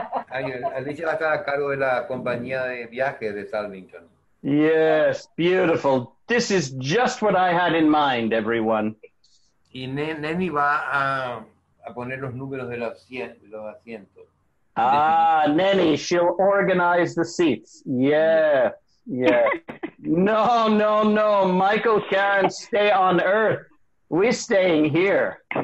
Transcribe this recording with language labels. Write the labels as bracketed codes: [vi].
[es] Alicia va a estar a cargo de la compañía de viaje de Salvington. [en] Yes, beautiful. This is just what I had in mind, everyone. [es] Y Neni va a poner los números de los asientos. [en] Ah, Neni, she'll organize the seats. Yeah. Yeah. No. Michael, Karen, stay on Earth. We're staying here.